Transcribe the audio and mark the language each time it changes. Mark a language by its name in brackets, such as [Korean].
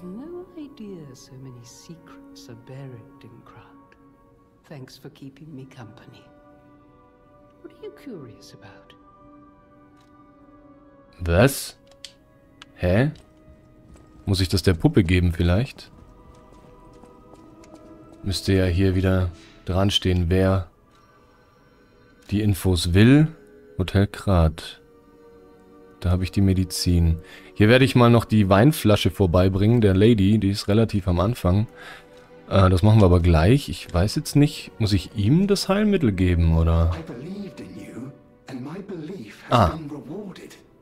[English] No idea so many secrets are buried in Krat. Thanks for keeping me company. What are you curious about? [German] Was? Hä? Muss ich das der Puppe geben vielleicht? Müsste ja hier wieder dran stehen, wer die Infos will. Hotel Krat. Da habe ich die Medizin. Hier werde ich mal noch die Weinflasche vorbeibringen, der Lady. Die ist relativ am Anfang. Das machen wir aber gleich. Ich weiß jetzt nicht, muss ich ihm das Heilmittel geben, oder? [English] I believed in you, and my belief has been rewarded.